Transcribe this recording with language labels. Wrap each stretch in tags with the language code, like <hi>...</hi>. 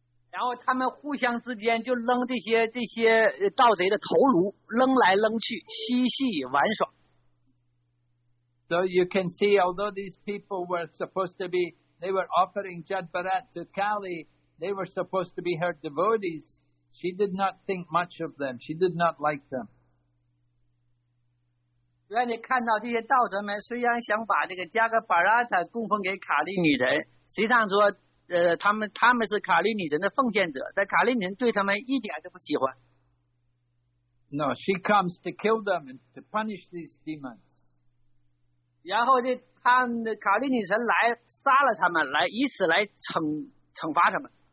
<zh>然后他们互相之间就扔这些盗贼的头颅，扔来扔去，嬉戏玩耍。</zh> <en>So you can see, although these people were supposed to be, they were offering Jadbarat to Kali, they were supposed to be her devotees, she did not think much of them. She did not like them.</en> <zh>所以你看到这些盗贼们虽然想把这个加格巴拉塔供奉给卡利女人，实际上说。他们是卡利女神的奉献者，但卡利女神对他们一点都不喜欢。</zh> <en>No, she comes to kill them and to punish these demons.</en> <zh>然后卡利女神来杀了他们，以此来惩罚他们。</zh>